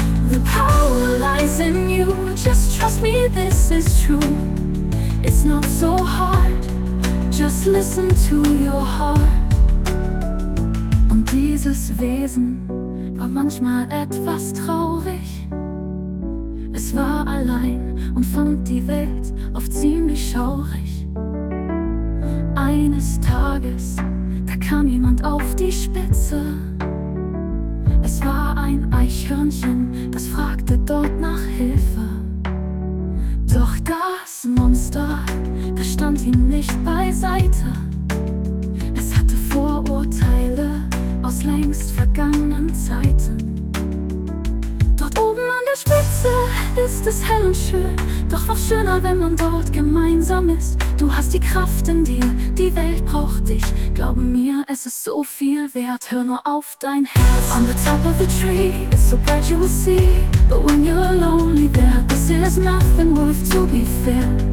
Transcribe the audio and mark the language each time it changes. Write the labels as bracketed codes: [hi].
[en] The power lies in you, just trust me, this is true. It's not so hard, just listen to your heart. [de] Und dieses Wesen war manchmal etwas traurig. Es war allein und fand die Welt oft ziemlich schaurig. Eines Tages, da kam jemand auf die Spitze. Es war ein Eichhörnchen, das fragte dort nach Hilfe. Doch das Monster, das stand ihm nicht beiseite. Es hatte Vorurteile aus längst vergangenen Zeiten. Dort oben an der Spitze ist es hell und schön, doch noch schöner, wenn man dort gemeinsam ist. Du hast die Kraft in dir, die Welt braucht dich. Glaub mir, es ist so viel wert, hör nur auf dein Herz. [en] On the top of the tree, it's so bright you will see. But when you're lonely there, this is nothing worth to be fair.